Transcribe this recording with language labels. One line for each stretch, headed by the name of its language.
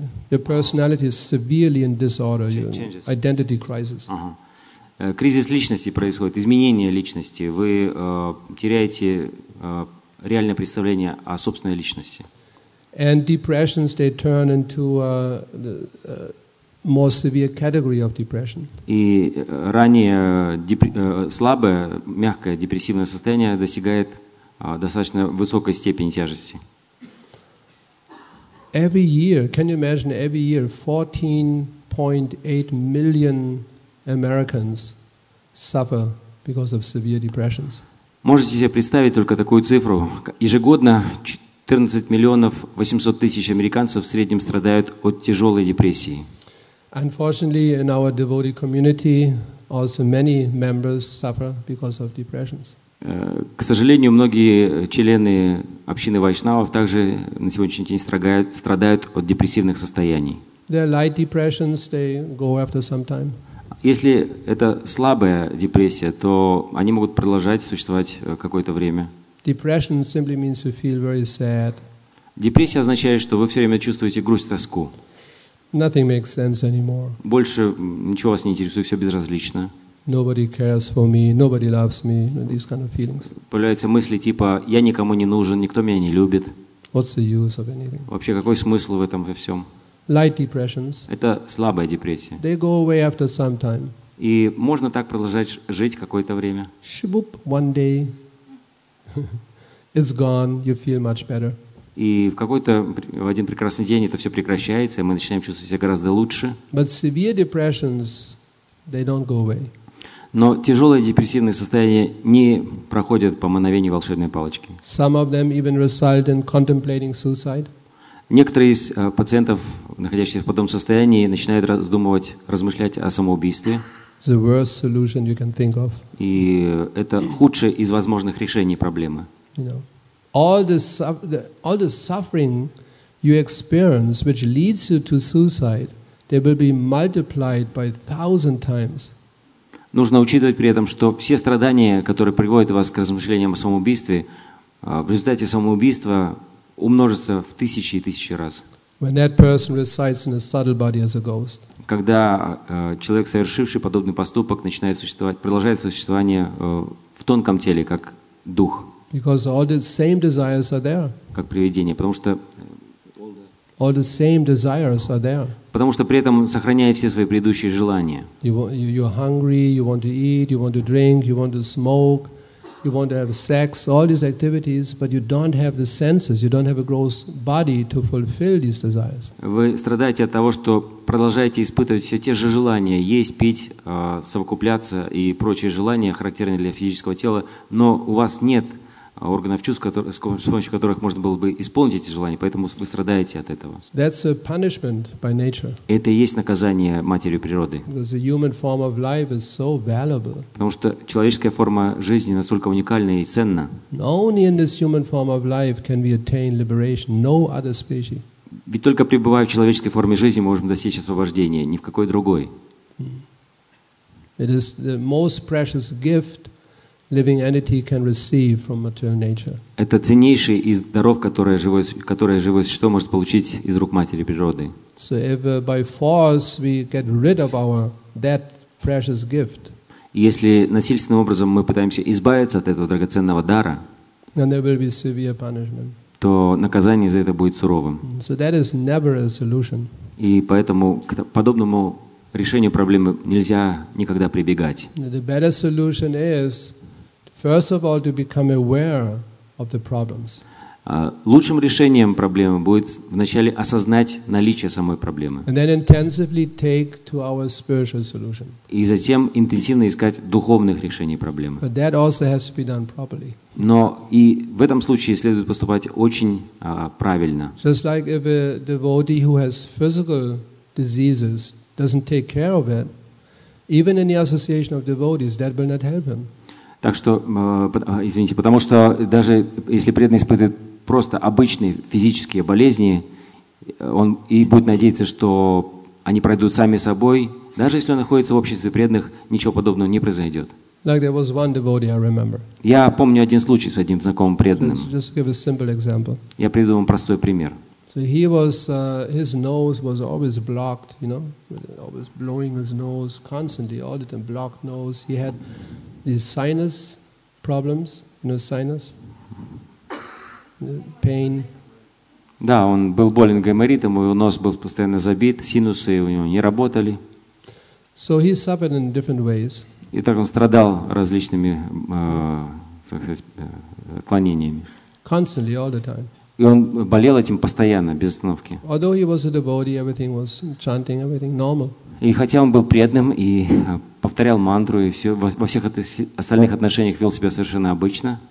English: Your personality is severely in disorder. Your identity crisis.
Russian: Кризис личности происходит, изменение личности. Вы теряете реальное представление о собственной личности.
English: And depressions they turn into the more severe category of depression.
Russian: И ранее слабое, мягкое депрессивное состояние достигает достаточно высокой степени тяжести.
English: Every year, can you imagine, every year 14.8 million Americans suffer because of severe depressions.
Russian: Можете себе представить только такую цифру? Ежегодно 14 миллионов 800 тысяч американцев в среднем страдают от тяжелой депрессии.
English: Unfortunately, in our devotee community, also many members suffer because of depressions.
Russian: К сожалению, многие члены общины вайшнавов также на сегодняшний день страдают от депрессивных состояний.
English: They are light depressions, they go after some time.
Russian: Если это слабая депрессия, то они могут продолжать существовать какое-то время.
English: Depression simply means you feel very sad.
Russian: Депрессия означает, что вы все время чувствуете грусть, тоску.
English: Nothing makes sense anymore.
Russian: Больше ничего вас не интересует, все безразлично.
English: Nobody cares for me, nobody loves me, you know, these kind of feelings.
Russian: Появляются мысли типа «я никому не нужен, никто меня не любит».
English: What's the use of anything?
Russian: Вообще какой смысл в этом во всем?
English: Light depressions.
Russian: Это слабая депрессия.
English: They go away after some time.
Russian: И можно так продолжать жить какое-то время.
English: Shwoop, one day, it's gone, you feel much better.
Russian: И в какой-то, в один прекрасный день это все прекращается, и мы начинаем чувствовать себя гораздо лучше.
English: But severe depressions, they don't go away.
Russian: Но тяжелые депрессивные состояния не проходят по мановению волшебной палочки.
English: Some of them even result in contemplating suicide.
Russian: Некоторые из пациентов, находящихся в подобном состоянии, начинают размышлять о самоубийстве.
English: The worst solution you can think of.
Russian: И это худшее из возможных решений проблемы.
English: You know. All the suffering you experience, which leads you to suicide, they will be multiplied by 1,000 times.
Russian: Нужно учитывать при этом, что все страдания, которые приводят вас к размышлениям о самоубийстве, в результате самоубийства умножатся в тысячи и тысячи раз.
English: When that person resides in a subtle body as a ghost.
Russian: Когда человек, совершивший подобный поступок, начинает существовать, продолжает существование в тонком теле как дух.
English: Because all the same desires are there.
Russian: Как привидение, потому что
English: all the same desires are there.
Russian: Потому что при этом он сохраняет все свои предыдущие желания.
English: You're hungry, you want to eat, you want to drink, you want to smoke, you want to have sex, all these activities, but you don't have the senses, you don't have a gross body to fulfill these desires.
Russian: Вы страдаете от того, что продолжаете испытывать все те же желания, есть, пить, совокупляться и прочие желания, характерные для физического тела, но у вас нет органов чувств, с помощью которых можно было бы исполнить эти желания, поэтому вы страдаете от этого.
English: That's a punishment by nature.
Russian: Это и есть наказание матерью природы.
English: Because the human form of life is so valuable.
Russian: Потому что человеческая форма жизни настолько уникальна и ценна.
English: Only in this human form of life can we attain liberation. No other species.
Russian: Ведь только пребывая в человеческой форме жизни, мы можем достичь освобождения, ни в какой другой.
English: It is the most precious gift living entity can receive from material nature.
Russian: Это ценнейший из даров, которое живое существо может получить из рук матери природы.
English: So if by force we get rid of our that precious gift.
Russian: Если насильственным образом мы пытаемся избавиться от этого драгоценного дара,
English: then there will be severe punishment.
Russian: То наказание за это будет суровым.
English: So that is never a solution.
Russian: И поэтому к подобному решению проблемы нельзя никогда прибегать.
English: The better solution is first of all, to become aware of the problems.
Russian: Лучшим решением проблемы будет вначале осознать наличие самой проблемы.
English: And then intensively take to our spiritual solution.
Russian: И затем интенсивно искать духовных решений проблемы.
English: But that also has to be done properly.
Russian: Но и в этом случае следует поступать очень правильно.
English: Just like if a devotee who has physical diseases doesn't take care of it, even in the association of devotees, that will not help him.
Russian: Так что, извините, потому что даже если преданный испытывает просто обычные физические болезни, он и будет надеяться, что они пройдут сами собой, даже если он находится в обществе преданных, ничего подобного не произойдет.
English: Like there was one devotee, I remember.
Russian: Я помню один случай с одним знакомым преданным.
English: Just give a simple example.
Russian: Я приведу вам простой пример.
English: So he was, his nose was always blocked, you know, always blowing his nose constantly, all the time blocked nose. He had these sinus problems, you know, sinus pain.
Russian: Да, он был болен гайморитом, его нос был постоянно забит, синусы у него не работали.
English: So he suffered in different ways.
Russian: И так он страдал различными, так сказать, отклонениями.
English: Constantly, all the time.
Russian: И он болел этим постоянно, без остановки.
English: Although he was a devotee, everything was chanting, everything normal.
Russian: И хотя он был преданным и повторял мантру, и все, во всех остальных отношениях вел себя совершенно обычно.